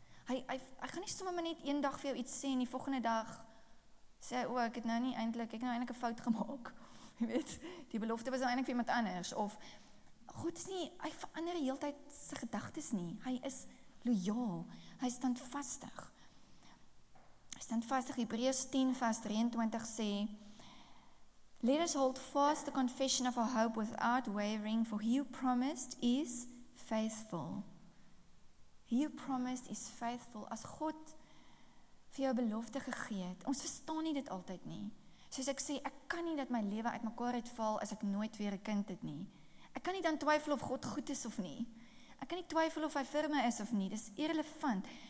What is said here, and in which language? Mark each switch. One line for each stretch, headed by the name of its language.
Afrikaans: Hy gaan nie sommer net een dag vir jou iets sê en die volgende dag sê hy, ek het nou nie eintlik, ek het nou eintlik 'n fout gemaak. Jy weet, die belofte was nou eintlik vir iemand anders. Of, God is nie, hy verander die hele tyd sy gedagtes nie. Hy is loyaal, hy is standvastig. Hebreërs 10 vers 23 sê,
English: let us hold fast the confession of our hope without wavering, for he who promised is faithful. You promised is faithful.
Afrikaans: As God vir jou belofte gegee het, ons verstaan nie dit altyd nie. Soos ek sê, ek kan nie dat my lewe uit mekaar uitval as ek nooit weer 'n kind het nie. Ek kan nie dan twyfel of God goed is of nie. Ek kan nie twyfel of hy vir my is of nie. Dis irrelevant.